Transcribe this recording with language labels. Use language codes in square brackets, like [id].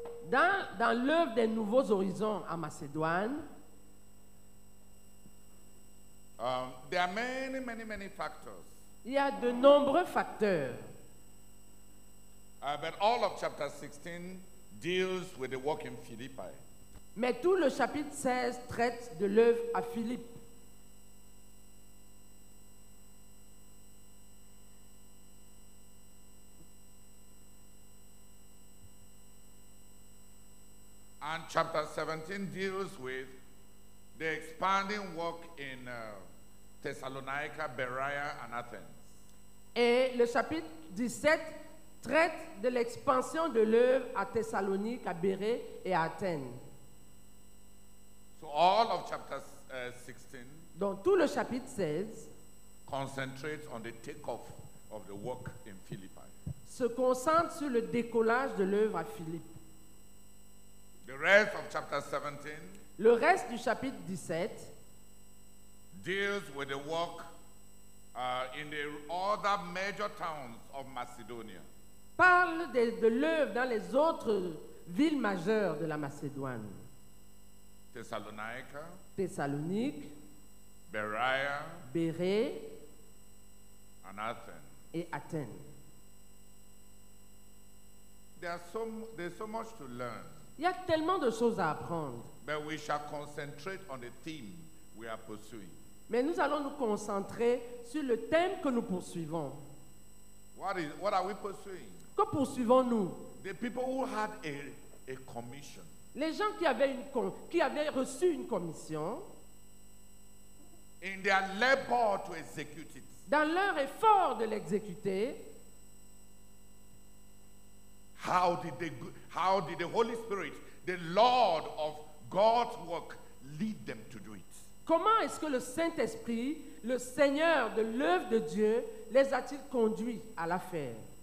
[fr] Dans l'œuvre des nouveaux horizons en Macédoine. [en] There are many factors. [fr] Il y a de nombreux facteurs. [en] But all of chapter 16 deals with the work in Philippi. [fr] Mais tout le chapitre 16 traite de l'œuvre à Philippe. [en] And chapter 17 deals with the expanding work in Thessalonica, Berea, and Athens. [fr] Et le chapitre 17 traite de l'expansion de l'œuvre à Thessalonique, à Bérée et à Athènes. [en] So all of chapter 16. [fr] Donc tout le chapitre 16 [en] concentrates on the takeoff of the work in Philippi. [fr] Se concentre sur le décollage de l'œuvre à Philippe. [en] The rest of chapter 17. [fr] Le reste du chapitre 17 [en] deals with the work in the other major towns of Macedonia. [fr] Parle de l'œuvre dans les autres villes majeures de la Macédoine. [en] Thessalonica, Berea, and Athens. [fr] Et Athènes. [en] There's so much to learn. [fr] Il y a tellement de choses à apprendre. [en] But we shall concentrate on the theme we are pursuing. [fr] Mais nous allons nous concentrer sur le thème que nous poursuivons. [en] What are we pursuing? [fr] Que poursuivons-nous? [en] The people who had a commission. [fr] Les gens qui avaient reçu une commission. [en] In their labor to execute it. [fr] Dans leur effort de l'exécuter. [en] How did the Holy Spirit, the Lord of God's work, lead them to do it? [fr] Comment est-ce que le Saint-Esprit, le Seigneur de l'œuvre de Dieu, les a-t-il conduits à la faire?